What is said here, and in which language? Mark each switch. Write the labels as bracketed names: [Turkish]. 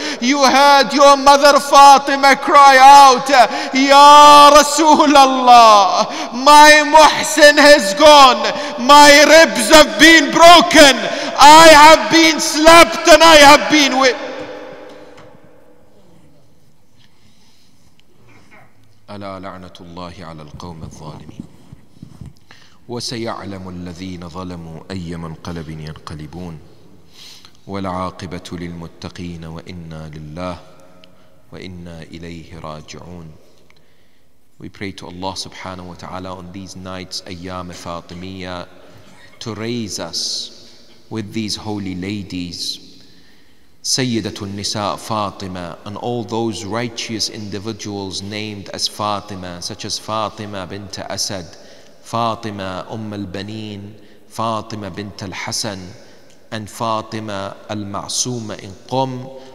[English] You heard your mother Fatima cry out, Ya Rasulallah, my Muhsin has gone, my ribs have been broken, I have been slapped and I have been whipped. [Arabic] ألا لعنة الله على القوم الظالمين وسيعلم الذين ظلموا أي منقلب ينقلبون والعاقبة للمتقين وإنا لله وإنا إليه راجعون. [English] We pray to Allah subhanahu wa ta'ala on these nights, Ayyam Fatimiyyah, to raise us with these holy ladies, Sayyidatul Nisa Fatima, and all those righteous individuals named as Fatima, such as Fatima bint Asad, Fatima Umm al-Baneen, Fatima bint al-Hasan, and Fatima al-Ma'suma in Qum.